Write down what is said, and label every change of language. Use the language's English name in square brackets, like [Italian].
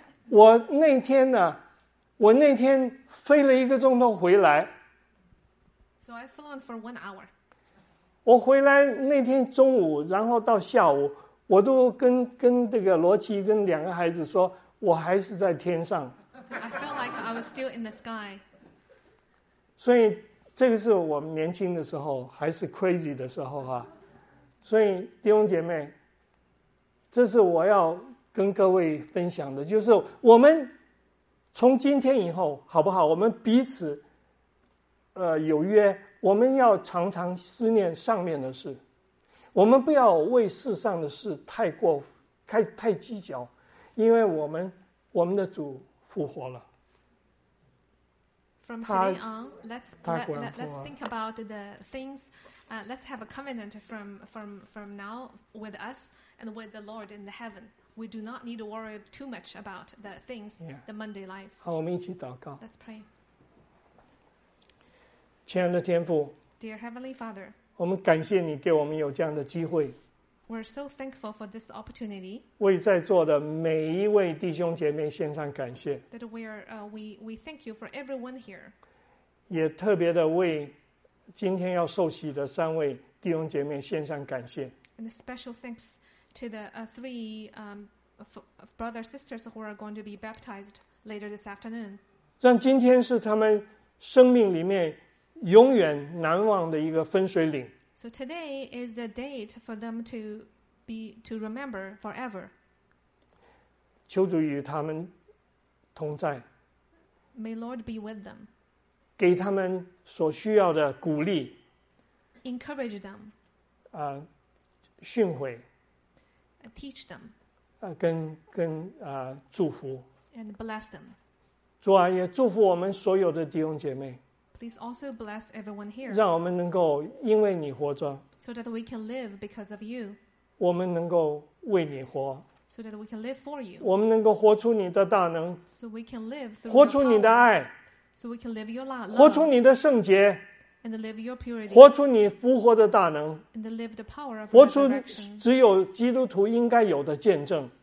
[Chinese] 我那天飞了一个钟头回来。 [English] So I flew on for 1 hour. [Chinese] 我回来那天中午然后到下午我都跟这个罗琦跟两个孩子说我还是在天上。 [English] I felt like I was still in the sky. [Chinese] 所以这个是我们年轻的时候，还是 crazy 的时候哈、啊。所以弟兄姐妹，这是我要跟各位分享的，就是我们从今天以后，好不好？我们彼此有约，我们要常常思念上面的事，我们不要为世上的事太过太计较，因为我们的主复活了。 [English] From today on, let's think about the things. Let's have a covenant from now with us and with the Lord in the heaven. We do not need to worry too much about the things, the mundane life. [Chinese] 好，我们一起祷告。 [English] Let's pray. [Chinese] 亲爱的天父 [English] ，Dear Heavenly Father， [Chinese] 我们感谢你给我们有这样的机会。 [English] We're so thankful for this opportunity. [Chinese] 为在座的每一位弟兄姐妹献上感谢。 [English] That we thank you for everyone here. [Chinese] 也特别的为今天要受洗的三位弟兄姐妹献上感谢。 [English] And a special thanks to the three brothers sisters who are going to be baptized later this afternoon. [Chinese] 让今天是他们生命里面永远难忘的一个分水岭。 [English] So today is the date for them to remember forever. [Chinese] 求主与他们同在。 [English] May Lord be with them. [Chinese] 给他们所需要的鼓励。 [English] Encourage them. [Chinese] 训诲。 [English] Teach them. [Chinese] 祝福。 [English] And bless them. [Chinese] 主啊，也祝福我们所有的弟兄姐妹。 [English] Please also bless everyone here. [Chinese] 让我们能够因为你活着。 [English] So that we can live because of you. [Chinese] 我们能够为你活。 [English] So that we can live for you. [Chinese] 我们能够活出你的大能。 [English] So we can live through [Chinese] 活出你的爱。 [English] So we can live your love. [Chinese] 活出你的圣洁。 [English] And live your purity. [Chinese] 活出你复活的大能。 [English] And live the power of resurrection. [Chinese] 活出只有基督徒应该有的见证。